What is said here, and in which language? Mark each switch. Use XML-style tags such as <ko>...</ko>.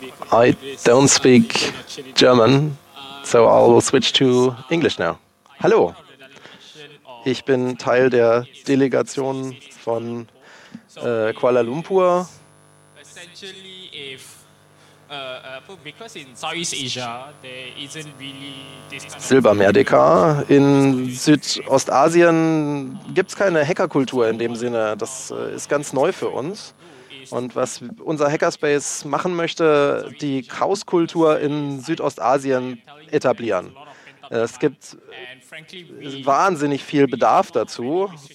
<en>I don't speak German, so I'll switch to English now. Hello.</en> <de>Ich bin Teil der Delegation von Kuala Lumpur.</de> <en>Essentially, because in Southeast Asia there isn't really this kind of Silbermeerdekar.</en> <de>In Südostasien gibt's keine Hackerkultur in dem Sinne. Das ist ganz neu für uns. Und was unser Hackerspace machen möchte, die Chaoskultur in Südostasien etablieren. Es gibt wahnsinnig viel Bedarf dazu.</de>